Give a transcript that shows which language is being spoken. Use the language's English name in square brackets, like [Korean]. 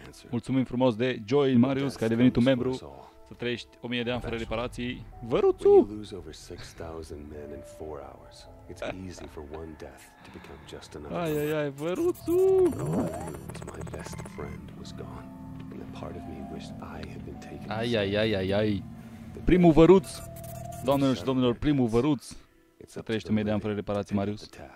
[Romanian] Mulțumim frumos de join, Marius, că ai devenit un membru. Să trăiești 1000 de ani fără reparații. Văruțu! [English] When you lose over 6,000 men in 4 hours, it's easy for one death to become just another. [Romanian] Ai, ai, ai, Văruțu! [English] Was my best friend was gone, and a part of me wished I had been taken. [Romanian] Ai, ai, ai, ai, ai. Primul Văruț! Doamnelor și domnilor, primul Văruț! Să trăiești 1000 de ani fără reparații, Marius.